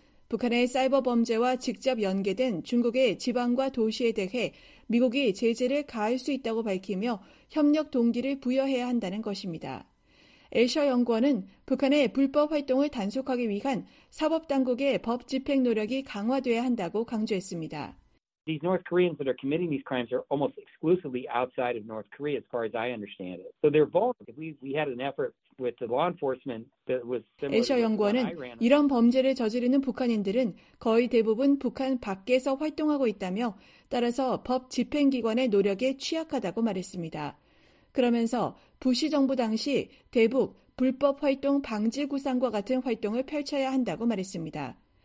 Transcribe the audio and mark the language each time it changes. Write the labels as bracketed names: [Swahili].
[Korean] 북한의 사이버 범죄와 직접 연계된 중국의 지방과 도시에 대해 미국이 제재를 가할 수 있다고 밝히며 협력 동기를 부여해야 한다는 것입니다. 애셔 연구원은 북한의 불법 활동을 단속하기 위한 사법당국의 법 집행 노력이 강화돼야 한다고 강조했습니다. [English] These North Koreans that are committing these crimes are almost exclusively outside of North Korea, as far as I understand it. So they're vulnerable. We had an effort with the law enforcement that was similar. [Korean] 애셔 연구원은 이런 범죄를 저지르는 북한인들은 거의 대부분 북한 밖에서 활동하고 있다며 따라서 법 집행기관의 노력에 취약하다고 말했습니다. 그러면서 부시 정부 당시 대북 불법 활동 방지 구상과 같은 활동을 펼쳐야 한다고 말했습니다.